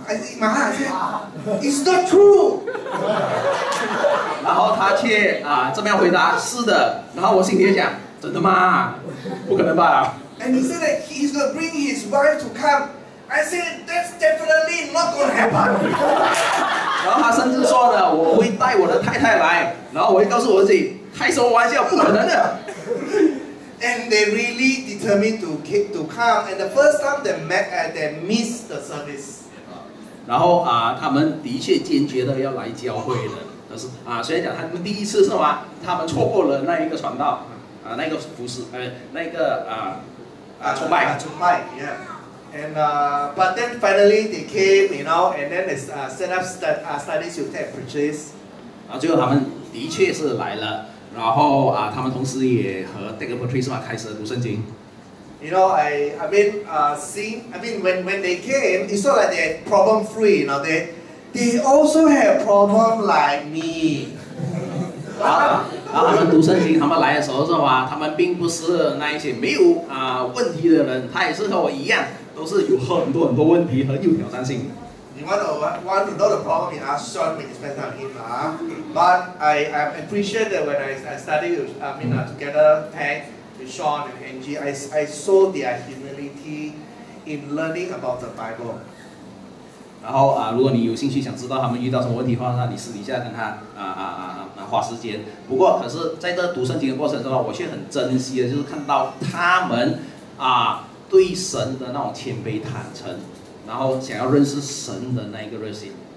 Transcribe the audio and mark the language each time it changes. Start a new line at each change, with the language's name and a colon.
English: I said, man, I said, it's not true.
Chinese: 然后他却这么样回答，是的。然后我心里就想，真的吗？不可能吧。
English: And he said that he's going to bring his wife to come. I said, that's definitely not going to happen.
Chinese: 然后他甚至说呢，我会带我的太太来，然后我会告诉我自己，开什么玩笑，不可能的。
English: And they really determined to come, and the first time they missed the service.
Chinese: 然后他们的确坚决的要来教会的，但是虽然讲他们第一次是吗？他们错过了那一个传道，那个服事，那个崇拜。崇拜 ，Yeah.
English: And but then finally they came, you know, and then they set up studies with that preachers.
Chinese: 然后最后他们的确是来了，然后他们同时也和 Dick Patrice 嘛开始读圣经。
English: You know, when they came, it's not like they're problem free, you know, they also have problem like me.
Chinese: 然后他们读圣经，他们来的时候是吧？他们并不是那一些没有问题的人，他也是和我一样。都是有很多很多问题，很有挑战性。
English: You want to know the problem? You ask Sean when you spend time with him, But I appreciate that when I study together, Tank, with Sean and Angie, I saw their humility in learning about the Bible.
Chinese: 然后如果你有兴趣想知道他们遇到什么问题的话，那你私底下跟他花时间。不过，可是在这读圣经的过程中，我却很珍惜的，就是看到他们对神的那种谦卑坦诚，然后想要认识神的那一个热心。